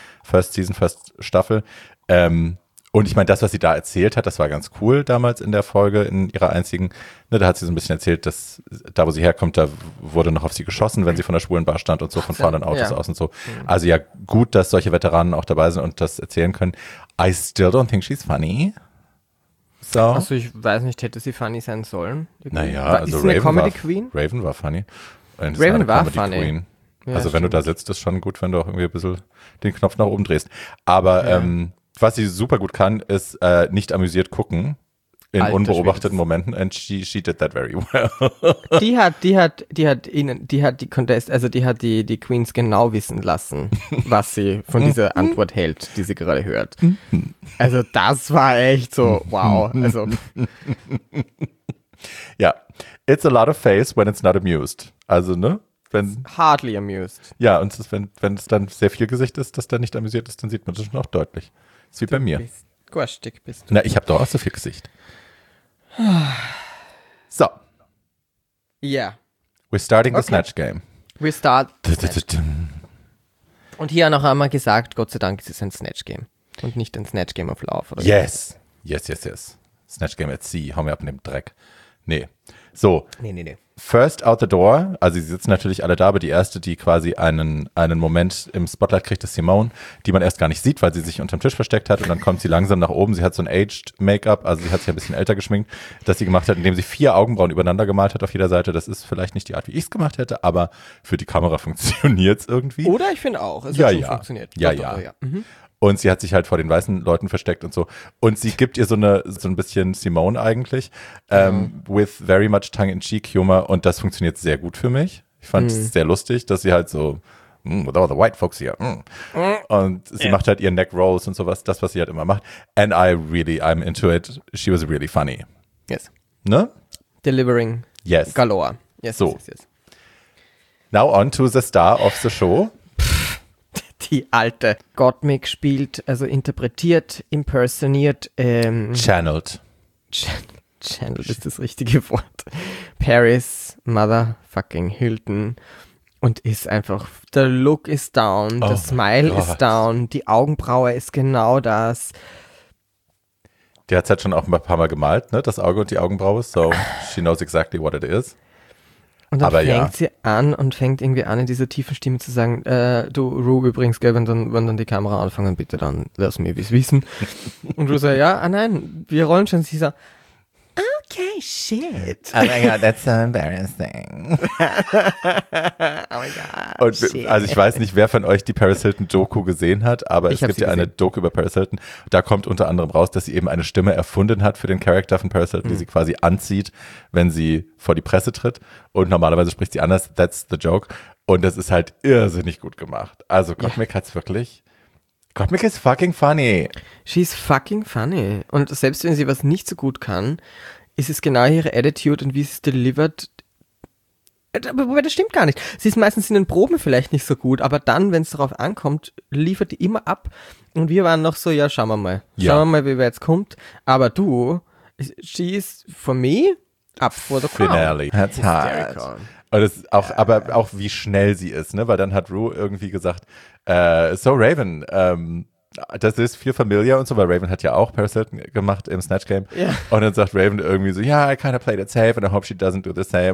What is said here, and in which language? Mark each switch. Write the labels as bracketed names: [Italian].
[German] First Season, First Staffel. Und ich meine, das, was sie da erzählt hat, das war ganz cool damals in der Folge, in ihrer einzigen. Ne, da hat sie so ein bisschen erzählt, dass da, wo sie herkommt, da wurde noch auf sie geschossen, wenn sie von der schwulen Bar stand und so, von fahrenden Autos aus und so. Also ja, gut, dass solche Veteranen auch dabei sind und das erzählen können. [English] I still don't think she's funny. [German] So. Also ich weiß nicht, hätte sie funny sein sollen? Naja, also ist sie eine Comedy-Queen? Raven war funny. Raven war funny. Queen. Ja, also wenn stimmt. du da sitzt, ist schon gut, wenn du auch irgendwie ein bisschen den Knopf nach oben drehst. Aber was sie super gut kann, ist nicht amüsiert gucken in Alter, unbeobachteten Momenten. [English] And she did that very well. [German] die Queens genau wissen lassen, was sie von dieser Antwort hält, die sie gerade hört. Also das war echt so, wow. Also ja, yeah. [English] It's a lot of face when it's not amused. [German] Also ne? Wenn, [English] hardly amused. [German] Ja, und das, wenn es dann sehr viel Gesicht ist, das dann nicht amüsiert ist, dann sieht man das schon auch deutlich. Das ist wie du bei mir. Bist du. Na, ich habe doch auch so viel Gesicht. So. [English] Yeah. We're starting the Snatch Game. We start. [German] Und hier noch einmal gesagt, Gott sei Dank, es ist ein Snatch Game. Und nicht ein Snatch Game of Love. Oder yes. Wie? Yes, yes, yes. Snatch Game at Sea. Hau mir ab in dem Dreck. Nee. So. Nee. First out the door, also sie sitzen natürlich alle da, aber die erste, die quasi einen Moment im Spotlight kriegt, ist Simone, die man erst gar nicht sieht, weil sie sich unterm Tisch versteckt hat und dann kommt sie langsam nach oben. Sie hat so ein aged Make-up, also sie hat sich ein bisschen älter geschminkt, das sie gemacht hat, indem sie vier Augenbrauen übereinander gemalt hat auf jeder Seite. Das ist vielleicht nicht die Art, wie ich es gemacht hätte, aber für die Kamera funktioniert es irgendwie. Oder ich finde auch, es hat schon funktioniert. Ja. Und sie hat sich halt vor den weißen Leuten versteckt und so. Und sie gibt ihr so ein bisschen Simone eigentlich. [English] With very much tongue-in-cheek humor. [German] Und das funktioniert sehr gut für mich. Ich fand es sehr lustig, dass sie halt so, with all the white folks here. Mm. Und sie macht halt ihren Neck Rolls und sowas. Das, was sie halt immer macht. [English] And I'm into it. She was really funny. Yes. [German] Ne? [English] Delivering. Yes. Galore. Yes, so. Yes. Now on to the star of the show. [German] Die alte Gottmik spielt, also interpretiert, impersoniert. [English] Channeled. [German] Channeled ist das richtige Wort. Paris Motherfucking Hilton. Und ist einfach, the look is down, the smile is down, die Augenbraue ist genau das. Die hat es halt schon auch ein paar Mal gemalt, ne? Das Auge und die Augenbraue. [English] So she knows exactly what it is. [German] Und dann aber fängt ja. sie an und fängt irgendwie an, in dieser tiefen Stimme zu sagen, du, Ru, übrigens, gell, wenn dann die Kamera anfangen, bitte dann lass mir es wissen. Und Ru sagt, ja, nein, wir rollen schon. Sie sagt, okay, shit. [English] Oh my God, that's so embarrassing. Oh my God, [German] und, shit. Also ich weiß nicht, wer von euch die Paris Hilton-Doku gesehen hat, aber ich es gibt ja eine Doku über Paris Hilton. Da kommt unter anderem raus, dass sie eben eine Stimme erfunden hat für den Charakter von Paris Hilton, die sie quasi anzieht, wenn sie vor die Presse tritt. Und normalerweise spricht sie anders, that's the joke. Und das ist halt irrsinnig gut gemacht. Also Gottmik hat es wirklich... Gottmik ist fucking funny. [English] She's fucking funny. [German] Und selbst wenn sie was nicht so gut kann, ist es genau ihre Attitude und wie sie es delivered. Wobei, das stimmt gar nicht. Sie ist meistens in den Proben vielleicht nicht so gut, aber dann, wenn es darauf ankommt, liefert die immer ab. Und wir waren noch so, ja, schauen wir mal. Schauen wir mal, wie weit es kommt. [English] Aber du, she is for me up for the crown. [German] Finale. That's hard. Und das auch, yeah. Aber auch, wie schnell sie ist, ne? Weil dann hat Rue irgendwie gesagt, so Raven, das ist viel familiar und so, weil Raven hat ja auch Paris Hilton gemacht im Snatch Game. [English] Yeah. [German] Und dann sagt Raven irgendwie so, yeah, I kind of played it safe and I hope she doesn't do the same.